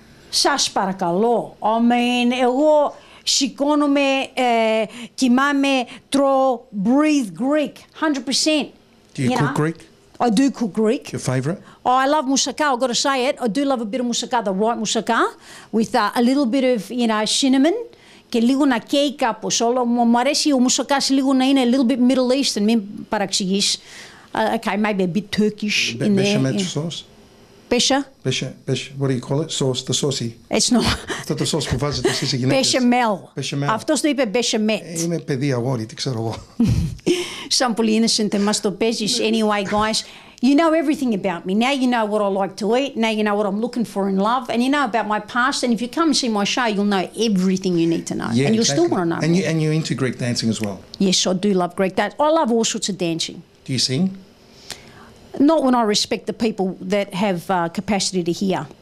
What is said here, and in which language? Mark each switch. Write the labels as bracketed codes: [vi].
[el] Sas parakalo. [en] I mean, [el] εγώ σηκώνομαι, κοιμάμαι, τρώω, [en] breathe Greek, [el] 100%. [en] Do you cook Greek? I do cook Greek. Your favourite? Oh, I love moussaka, I've got to say it. I do love a bit of moussaka, the right moussaka, with a little bit of, you know, cinnamon. [el] Και λίγο να καίει κάπως όλο. Μου αρέσει ο μουσακάς λίγο να είναι [en] a little bit Middle Eastern, [el] μην παραξηγείς. [en] Okay, maybe a bit Turkish in there. Bechamel sauce? Bechamel. What do you call it? Sauce, the saucy. It's not. [el] Αυτό το sauce που βάζει το σύζυγι. [en] Bechamel. Bechamel. [el] Αυτός το είπε bechamel. Είμαι παιδί αγόρι, τι ξέρω εγώ. Σαν πολύ innocent, μας το παίζεις. [en] Anyway, guys, you know everything about me. Now you know what I like to eat. Now you know what I'm looking for in love. And you know about my past. And if you come and see my show, you'll know everything you need to know. Yeah, and you'll exactly. still want to know. And you're into Greek dancing as well. Yes, I do love Greek dance. I love all sorts of dancing. Do you sing? Not when I respect the people that have capacity to hear.